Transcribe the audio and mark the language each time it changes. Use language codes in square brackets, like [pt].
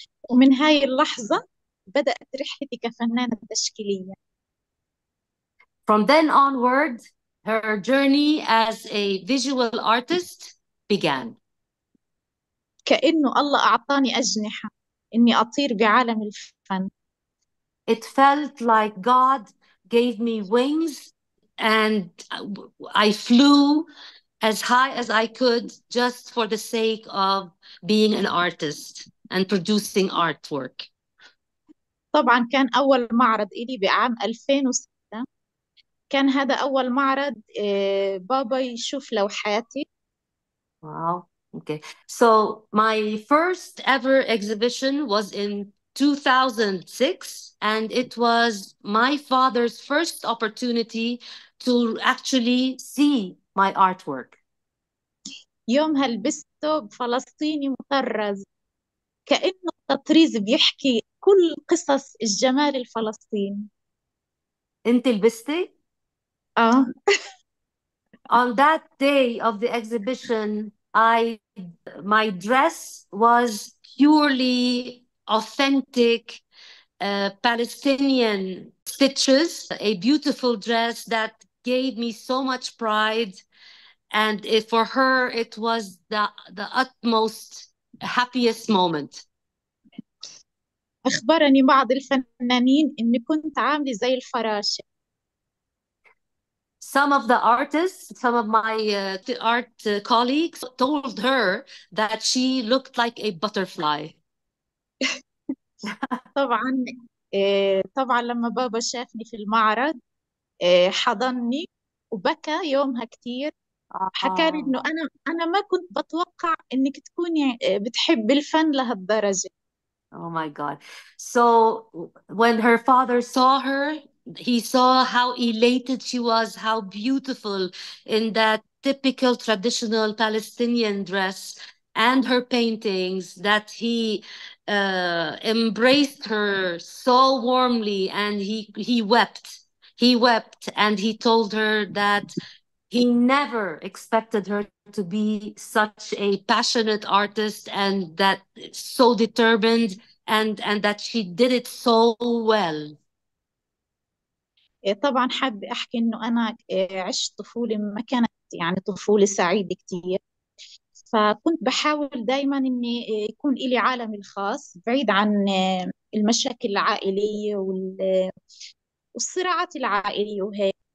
[ar] ومن هاي اللحظة بدأت رحلتي كفنانة تشكيلية. [en] From then onward, her journey as a visual artist began. [ar] كأنه الله أعطاني أجنحة إني أطير بعالم الفن. [en] It felt like God gave me wings and I flew as high as I could just for the sake of being an artist and producing artwork. [ar] طبعا كان أول معرض إلي بعام 2006، كان هذا أول معرض بابا يشوف لوحاتي. [en] Wow. Okay. So my first ever exhibition was in 2006, and it was my father's first opportunity to actually see my artwork. [ar] يومها لبسته بفلسطيني مطرز، كأنه التطريز بيحكي كل قصص الجمال الفلسطيني. انت لبستي؟ [en] On that day of the exhibition, my dress was purely authentic Palestinian stitches, a beautiful dress that gave me so much pride. And for her, it was the utmost happiest moment. [ar] أخبرني بعض الفنانين إني كنت عاملة زي الفراشة. [en] Some of the artists, some of my art colleagues told her that she looked like a butterfly. [ar] طبعا طبعا لما بابا شافني في المعرض حضني وبكى يومها كتير، حكى لي إنه أنا ما كنت بتوقع إنك تكوني بتحب الفن لهالدرجة. [en] Oh my God. So when her father saw her, he saw how elated she was, how beautiful in that typical traditional Palestinian dress and her paintings, that he embraced her so warmly and he wept. He wept and he told her that he never expected her to be such a passionate artist and that so determined and that she did it so well. [ar] طبعا حابة أحكي إنه أنا عشت طفولة ما كانت يعني طفولة سعيدة كتير، فكنت بحاول دايما إني يكون إلي عالمي الخاص بعيد عن المشاكل العائلية والصراعات العائلية وهيك.